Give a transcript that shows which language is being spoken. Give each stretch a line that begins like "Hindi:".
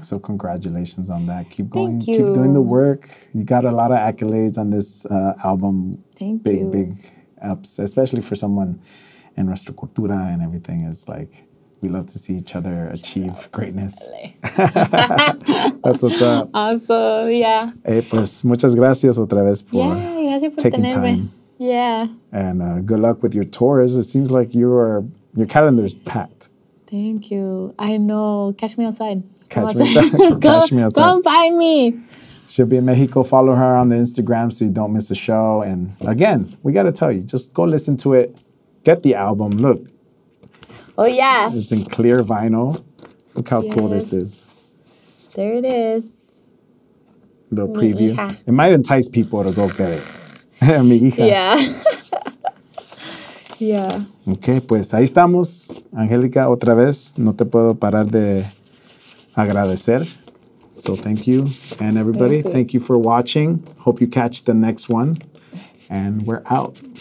English: So congratulations on that. Keep going. Thank you. Keep doing the work. You got a lot of accolades on this album. Thank you. Big ups, especially for someone in Nuestra Cultura and everything. It's like, we love to see each other achieve greatness. That's what's up. Awesome, yeah.
Spanish: Hey, pues, muchas gracias otra vez por
English: taking time. Yeah. And good luck with your tours. It seems like your calendar's packed. Thank you. I know. Catch me outside. Catch me outside. Come find me. She'll be in Mexico. Follow her on the Instagram so you don't miss a show. And again, we got to tell you, just go listen to it. Get the album. Look. Oh, yeah. It's in clear vinyl. Look how cool this is. There it is. The preview. Yeah. It might entice people to go get it.
Spanish: Mi hija.
English: Yeah.
Spanish: Ok, pues ahí estamos. Angélica, otra vez, no te puedo parar de agradecer.
English: So thank you. And everybody, thank you for watching. Hope you catch the next one. And we're out.